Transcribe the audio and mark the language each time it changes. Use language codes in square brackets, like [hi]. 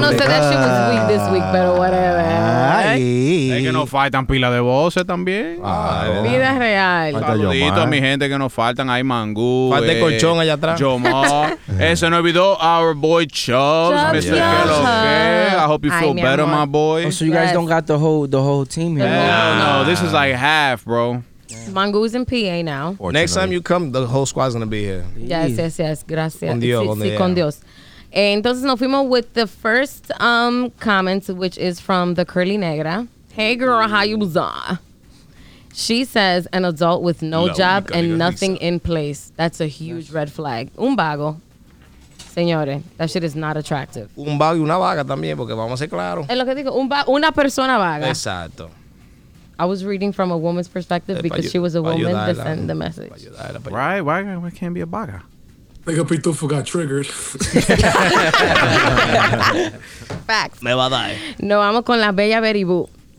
[es] Yo no sé, [en] that shit was weak this week, pero whatever. [es] Es que nos faltan pila de voces también. Vida real. Saludito a mi gente que nos faltan. Hay mangú. Falta el colchón allá atrás. Jomar. Ese no olvidó. [en] Our boy [es] Chubbs. Mr. Kelo. [en] I hope you feel better, my boy. Oh, so you guys don't got the whole team here. No, this is like half, bro. Mangu's in PA now. Next time you come, the whole squad's going to be here. Yes. Gracias. [es] Con Dios. Con Dios. Entonces nos fuimos [en] with the first comment, which is from the Curly Negra. Hey girl, how you bizarre? She says an adult with no job and nothing in place. That's a huge red flag. Un vago. Señores, that shit is not attractive. [es] Un vago y una vaga también, porque vamos a ser claros. Es lo que digo, una persona vaga. Exacto. [en] I was reading from a woman's perspective because she was a woman to send the message. Right? Why can't be a vaga? Like a Pitufo got triggered. Facts. [es] Me va a dar. No, vamos con la bella Beribú.